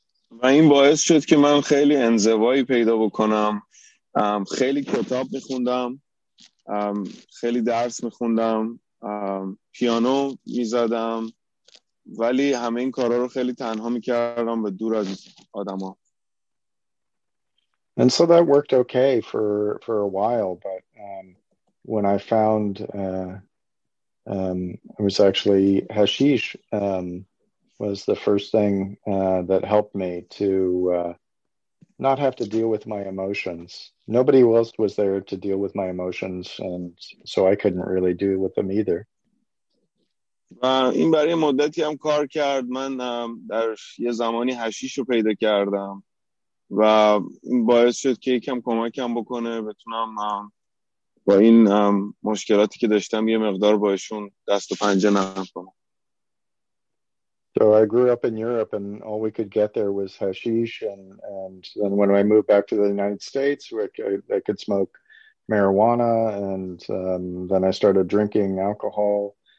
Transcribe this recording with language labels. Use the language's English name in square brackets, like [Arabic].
[Persian] و این باعث شد که من خیلی انزوایی پیدا بکنم. خیلی کتاب میخوندم، خیلی درس میخوندم، پیانو میزدم، ولی همه این کارها رو خیلی تنها میکردم و دور از آدم ها. [English] And so that worked okay for a while, but when I found it was actually hashish was the first thing that helped me to not have to deal with my emotions. Nobody else was there to deal with my emotions, and so I couldn't really deal with them either. [Persian] و این برای مدتی هم کار کرد. من در یه زمانی حشیش رو پیدا کردم و این باعث شد که یکم کمکم بکنه بتونم با این مشکلاتی که داشتم یه مقدار باشون دست و پنجه نرم کنم. [English] So I grew up in Europe, and all we could get there was hashish. And then when I moved back to the United States, I could smoke marijuana, and then I started drinking alcohol.